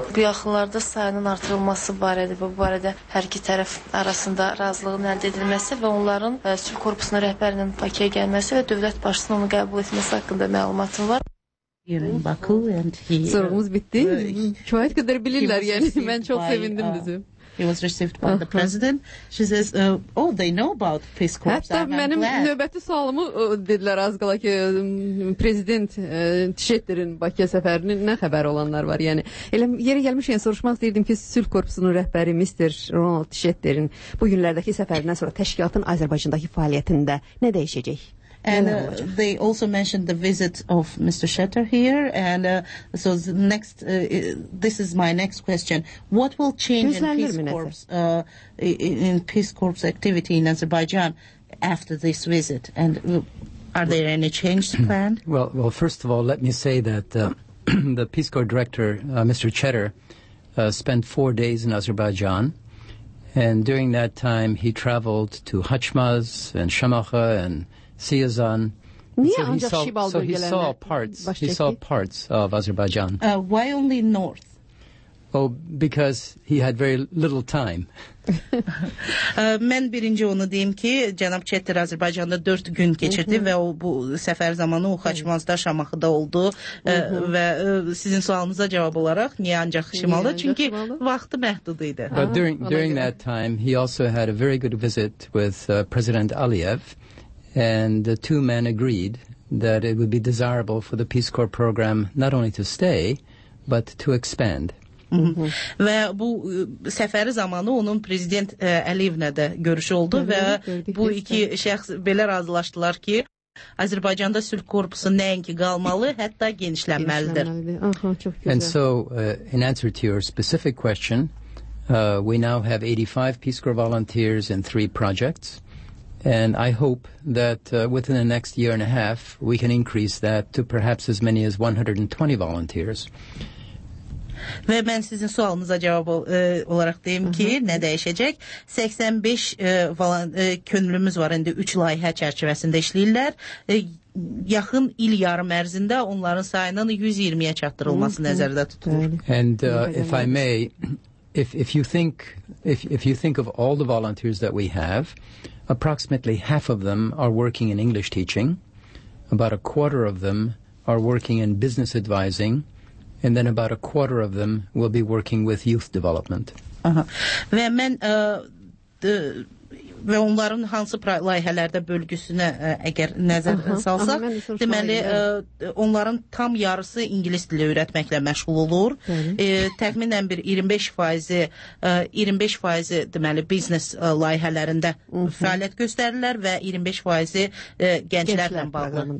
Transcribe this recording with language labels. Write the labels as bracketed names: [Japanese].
[Azerbaijani] Bu yaxınlarda sayının artırılması barədə və bu barədə hər iki tərəf arasında razılığın əldə edilməsi və onların sülh korpusunun rəhbərinin Bakıya gəlməsi və dövlət başçısının onu qəbul etməsi haqqında məlumatım var. [English] In Baku and he, [Azerbaijani] sorğumuz bitdi. Kifayət qədər bilirlər yəni. Mən çox sevindim bizim. [English] He was received by the president. She says, oh, they know about Peace Corps. [Azerbaijani] Hətta mənim növbəti sualımı dedilər az qala ki, prezident Tişetlerin Bakıya səfərinin nə xəbəri olanlar var. Yəni, elə yeri gəlmişkən soruşmaq istəyirdim ki, Sülh Korpusunun rəhbəri Mr. Ronald Tişetlerin bu günlərdəki səfərindən sonra təşkilatın Azərbaycandakı fəaliyyətində nə dəyişəcək? [English] And they also mentioned the visit of Mr. Shetter here, and so next, this is my next question: what will change in Peace Corps in Peace Corps activity in Azerbaijan after this visit? And are there any changes planned? Well, first of all, let me say that the Peace Corps director, Mr. Shetter, spent 4 days in Azerbaijan. And during that time, he traveled to Hachmaz and Shamakha and Siyazan. So he saw parts of Azerbaijan. Why only north? Oh, because he had very little time. [Azerbaijani] Mən birinci onu deyim ki, cənab Çetir Azərbaycanda 4 gün keçirdi və o bu səfər zamanı o Xaçmazda, Şamaxıda oldu və sizin sualınıza cavab olaraq niyə ancaq şimalı? Çünki vaxtı məhdud idi. [English] But during that time, he also had a very good visit with President Aliyev, and the two men agreed that it would be desirable for the Peace Corps program not only to stay, but to expand. [Azerbaijani] Və bu səfəri zamanı onun prezident Əliyevlə də görüşü oldu və bu iki şəxs belə razılaşdılar ki, Azərbaycanda sülh korpusu nəinki qalmalı, hətta genişlənməlidir. [English] And so, in answer to your specific question, we now have 85 Peace Corps volunteers in 3 projects. And I hope that within the next year and a half, we can increase that to perhaps as many as 120 volunteers. [Azerbaijani] Və mən sizin sualınıza cavab olaraq deyim ki, nə dəyişəcək? 85 könlümüz var indi 3 layihə çərçivəsində işləyirlər. Yaxın il yarım ərzində onların sayının 120-yə çatdırılması nəzərdə tutulur. [English] And if I may, if you think of all the volunteers that we have, approximately half of them are working in English teaching, about a quarter of them are working in business advising, and then about a quarter of them will be working with youth development. [Azerbaijani] Və mən və onların hansı layihələrdə bölgüsünə əgər nəzər salsaq, deməli onların tam yarısı ingilis dili öyrətməklə məşğul olur. Təxminən bir 25% deməli biznes layihələrində fəaliyyət göstərirlər və 25% gənclərlə bağlı.